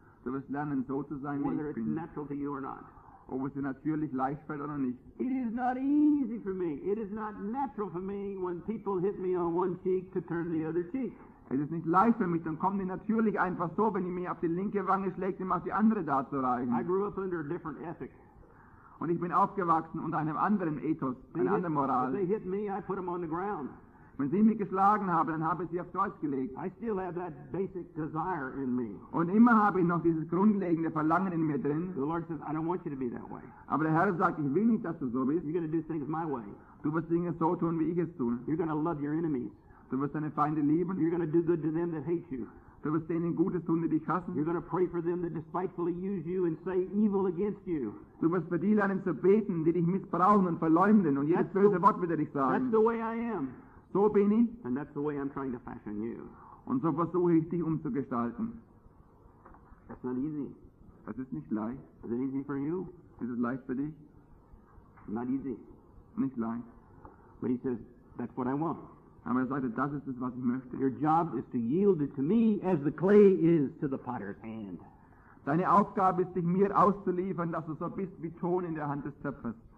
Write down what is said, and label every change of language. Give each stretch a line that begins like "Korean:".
German: Du wirst lernen, so zu sein,
English: whether
German: wie ich bin.
English: Natural to you or not.
German: Ob es dir natürlich leicht fällt oder nicht.
English: It is not easy for me. It is not natural for me when people hit me on one cheek to turn the other cheek.
German: Es ist nicht leicht für mich, dann kommen die natürlich einfach so, wenn ich mir auf die linke Wange schlägt, dann macht die andere da zu reichen.
English: I grew up under a different ethic.
German: Und ich bin aufgewachsen unter einem anderen Ethos, einer anderen Moral.
English: They hit me, I put them on the ground.
German: Wenn sie mich geschlagen haben, dann habe ich sie aufs Kreuz gelegt.
English: I still have that basic desire in me.
German: Und immer habe ich noch dieses grundlegende Verlangen in mir drin.
English: The Lord says, I don't want you to be that way.
German: Aber der Herr sagt, ich will nicht, dass du so bist.
English: You're going to do things my way.
German: Du wirst Dinge so tun, wie ich es tue.
English: You're going to love your enemies.
German: Du wirst deine Feinde lieben.
English: You're going to do good to them that hate you.
German: Du wirst denen Gutes tun, die dich hassen.
English: You're going to pray for them that despitefully use you and say evil against you.
German: Du wirst bei denen lernen zu beten, die dich missbrauchen und verleumden und jedes böse Wort wider dich sagen.
English: That's the way I am.
German: So bin ich.
English: And that's the way I'm trying to fashion you.
German: Und so versuche ich dich umzugestalten.
English: That's not easy.
German: Das ist nicht leicht.
English: Is it easy for you?
German: Ist es leicht für dich?
English: Not easy.
German: Nicht leicht.
English: But he says, that's what I want.
German: Aber er sagte, das ist es, was ich möchte.
English: Your job is to yield it to me as the clay is to the potter's hand.
German: Deine Aufgabe ist, dich mir auszuliefern, dass du so bist wie Ton in der Hand des Töpfers.